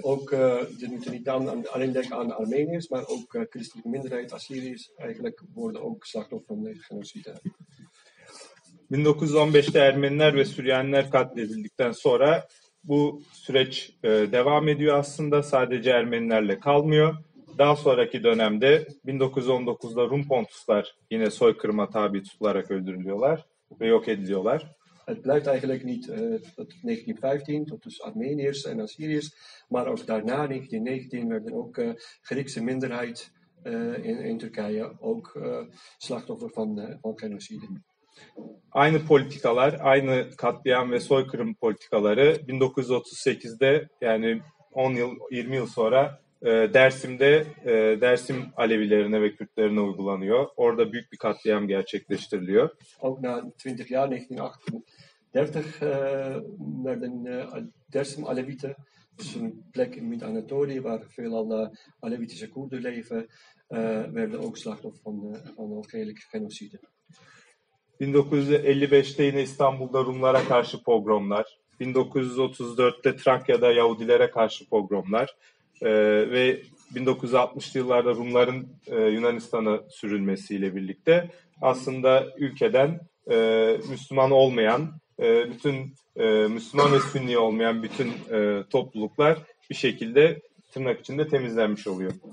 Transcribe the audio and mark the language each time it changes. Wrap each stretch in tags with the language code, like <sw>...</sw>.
<nl>Ook de Nutanidan alleen denken aan Armeniërs, maar ook christelijke minderheid Assyriërs eigenlijk worden ook slachtoffer van de genocide.</nl> <tr>1915'te Ermeniler ve Süryaniler katledildikten sonra bu süreç devam ediyor aslında. Sadece Ermenilerle kalmıyor. Daha sonraki dönemde 1919'da Rum Pontuslar yine soykırıma tabi tutularak öldürülüyorlar ve yok ediliyorlar.</tr> <nl>Het blijft eigenlijk niet tot 1915, tot dus Armeniërs en Assyriërs, maar ook daarna, 1919, werden ook Griekse minderheid in Turkije ook slachtoffer van genocide.</nl> <tr>Aynı politikalar, aynı katliam ve soykırım politikaları 1938'de yani 10 yıl, 20 yıl sonra Dersim'de Dersim Alevilerine ve Kürtlerine uygulanıyor. Orada büyük bir katliam gerçekleştiriliyor.</tr> <nl>Ook na 20 jaar 1938 werden Dersim Alevite, dus een plek in Mid-Anatolië waar veelal Alevitische Koerden leven, werden ook slachtoffer van algehele genocide.</nl> <tr>1955'te yine İstanbul'da Rumlara karşı pogromlar, 1934'te Trakya'da Yahudilere karşı pogromlar ve 1960'lı yıllarda Rumların Yunanistan'a sürülmesiyle birlikte aslında ülkeden Müslüman olmayan, bütün Müslüman ve Sünni olmayan bütün topluluklar bir şekilde tırnak içinde temizlenmiş oluyor.</tr>